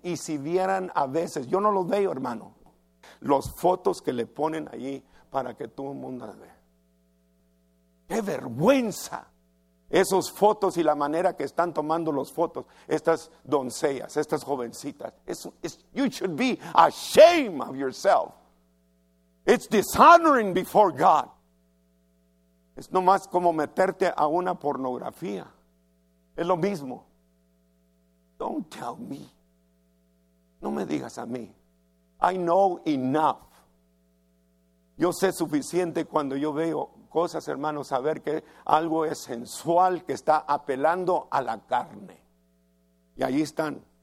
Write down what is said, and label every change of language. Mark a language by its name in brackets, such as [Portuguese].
[Spanish] Y si vieran a veces, yo no los veo, hermano, las fotos que le ponen allí para que todo el mundo las vea. ¡Qué vergüenza! Esas fotos y la manera que están tomando las fotos, estas doncellas, estas jovencitas. [English] You should be ashamed of yourself. It's dishonoring before God. [Spanish] Es nomás como meterte a una pornografía. Es lo mismo. [English] Don't tell me. [Spanish] No me digas a mí. [English] I know enough. [Spanish] Yo sé suficiente cuando yo veo cosas, hermanos, saber que algo es sensual que está apelando a la carne. Y ahí están.